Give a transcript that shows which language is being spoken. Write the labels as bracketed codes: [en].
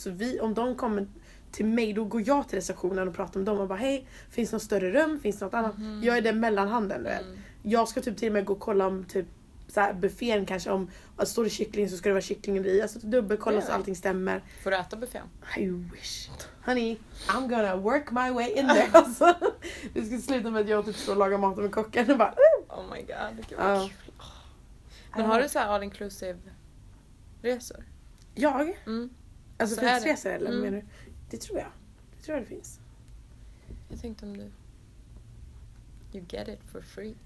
[sv] Så vi, om de kommer till mig, då går jag till receptionen och pratar med dem och bara hej, finns det något större rum, finns det något annat? Mm. Jag är den mellanhanden. Mm. Jag ska typ till och med gå och kolla om typ så här buffén kanske, om står det kyckling så ska det vara kycklingen i. Alltså dubbelkolla så allting stämmer. Får du äta buffén? [en] I wish. Honey, I'm gonna work my way in there. [sv] Alltså, vi ska sluta med att jag typ står och lagar maten med kocken och bara [en] Oh my god, [sv] det kan vara kul. Men har du så här all inclusive resor? Jag? Mm. Alltså fritidsresor eller menar du? Det tror jag. Det tror jag det finns. Jag tänkte om du [en] you get it for free.